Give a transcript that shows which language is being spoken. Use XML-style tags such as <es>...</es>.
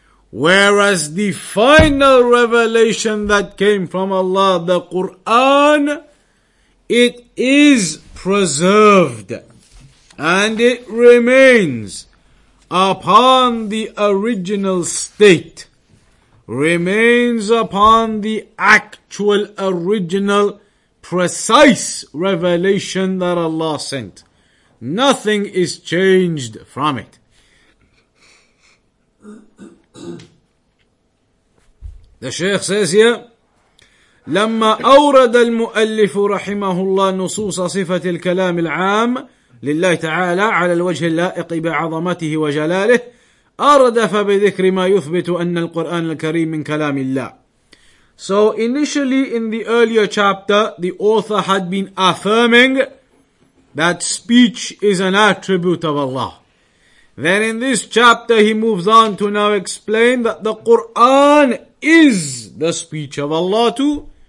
<en>Whereas the final revelation that came from Allah, the Quran, it is preserved and it remains upon the original state, remains upon the actual, original, precise revelation that Allah sent. Nothing is changed from it. The Shaykh says here,</en> <ar>لما أورد المؤلف رحمه الله نصوص صفة الكلام العام لله تعالى على الوجه اللائق بعظمته وجلاله أردف بذكر ما يثبت أن القرآن الكريم من كلام الله.</ar> <en>So initially in the earlier chapter, the author had been affirming that speech is an attribute of Allah. Then in this chapter, he moves on to now explain that the Quran is the speech of Allah too.</en>